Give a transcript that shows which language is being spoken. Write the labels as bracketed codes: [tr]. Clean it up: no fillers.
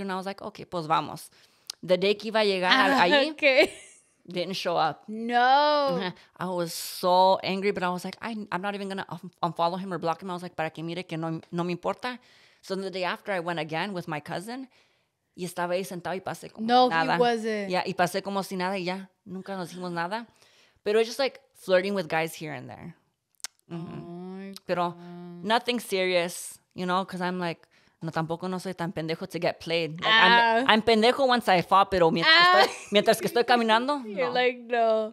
[en] And I was like, okay, [es] pues vamos. [en] The day [es] que iba a llegar allí, [en] okay, didn't show up. No. I was so angry, but I was like, I'm not even going to unfollow him or block him. I was like, [es] para que mire que no me importa. [en] So the day after, I went again with my cousin. [es] Y estaba ahí sentado y pasé como nada. [en] No, he wasn't. Yeah, [es] y pasé como si nada y ya. Nunca nos dijimos nada. [en] Pero it's just like flirting with guys here and there. Pero nothing serious, you know, because I'm like, no, [es] tampoco no soy tan pendejo [en] to get played. Like, I'm pendejo once I fall, [es] pero mientras que estoy caminando, no. [en] You're like, no.